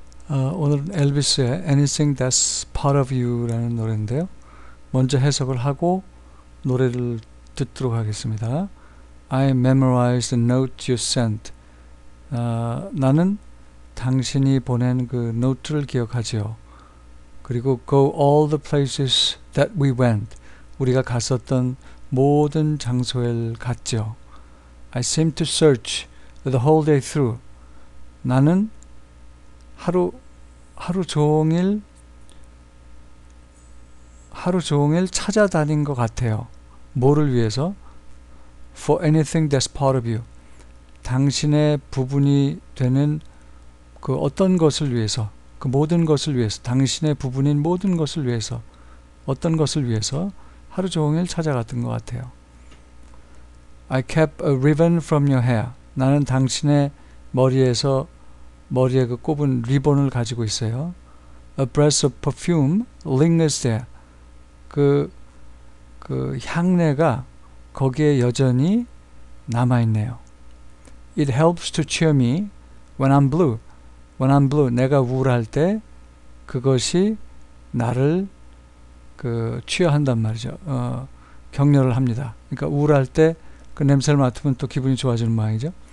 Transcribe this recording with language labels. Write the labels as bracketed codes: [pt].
[ko] 오늘은 엘비스의 Anything That's Part of You라는 노래인데요. 먼저 해석을 하고 노래를 듣도록 하겠습니다. [en] I memorized the note you sent. [ko] 나는 당신이 보낸 그 노트를 기억하지요. 그리고 [en] go all the places that we went. [ko] 우리가 갔었던 모든 장소를 갔지요. [en] I seem to search the whole day through. [ko] 나는 하루 종일 찾아다닌 것 같아요. 뭐를 위해서? [en] For anything that's part of you. [ko] 당신의 부분이 되는 그 어떤 것을 위해서, 그 모든 것을 위해서, 당신의 부분인 모든 것을 위해서, 어떤 것을 위해서 하루 종일 찾아갔던 것 같아요. [en] I kept a ribbon from your hair. [ko] 나는 당신의 머리에 그 꼽은 리본을 가지고 있어요. [en] A breath of perfume lingers there. [ko] 그 향내가 거기에 여전히 남아있네요. [en] It helps to cheer me when I'm blue. When I'm blue, [ko] 내가 우울할 때 그것이 나를 취하한단 말이죠. 격려를 합니다. 그러니까 우울할 때그 냄새를 맡으면 또 기분이 좋아지는 모양이죠.